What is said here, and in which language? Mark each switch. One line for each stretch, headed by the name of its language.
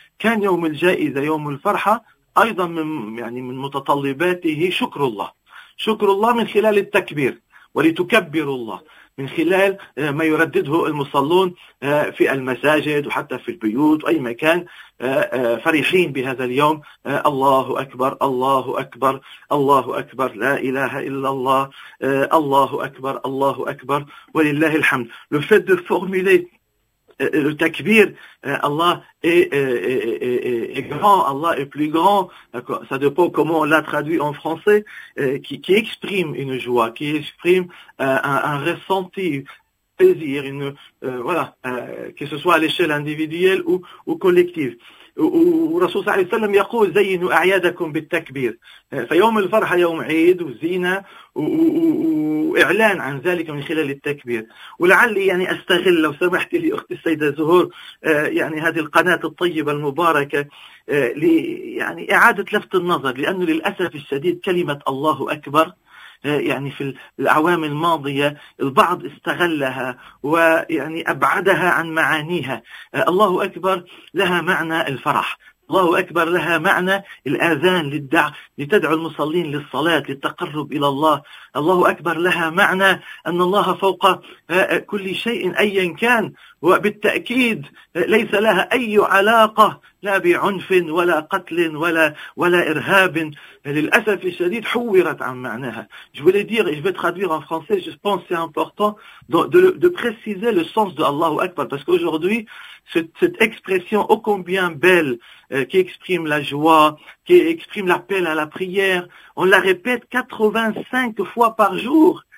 Arabic: كان يوم الجائزة يوم الفرحة أيضا من يعني من متطلباته شكر الله، شكر الله من خلال التكبير، ولتكبروا الله من خلال ما يردده المصلون في المساجد وحتى في البيوت وأي مكان، فرحين بهذا اليوم، الله أكبر الله أكبر الله أكبر لا إله إلا الله، الله أكبر الله أكبر ولله الحمد.
French: le fait de formuler le تكبير الله est grand، الله est plus grand، ça dépend comment on l'a traduit en français، qui exprime une joie، qui exprime un ressenti، plaisir، une voilà، que ce soit à l'échelle individuelle ou collective.
Arabic: ورسول صلى الله عليه وسلم يقول زينوا أعيادكم بالتكبير، فيوم الفرحة يوم عيد وزينة وإعلان عن ذلك من خلال التكبير. ولعل يعني أستغل لو سمحت لي أختي السيدة زهور يعني هذه القناة الطيبة المباركة يعني إعادة لفت النظر، لأنه للأسف الشديد كلمة الله أكبر يعني في الأعوام الماضية البعض استغلها ويعني أبعدها عن معانيها. الله أكبر لها معنى الفرح، الله أكبر لها معنى الأذان لتدعو المصلين للصلاة للتقرب إلى الله، الله أكبر لها معنى أن الله فوق كل شيء أيا كان، وبالتأكيد ليس لها أي علاقة لا بعنف ولا قتل ولا إرهاب. للأسف الشديد حورت عن معناها.
French: Je voulais dire et je vais traduire en français. Je pense que c'est important de préciser le sens de Allahu Akbar parce qu'aujourd'hui cette expression ô combien belle qui exprime la joie, qui exprime l'appel à la prière, on la répète 85 fois par jour.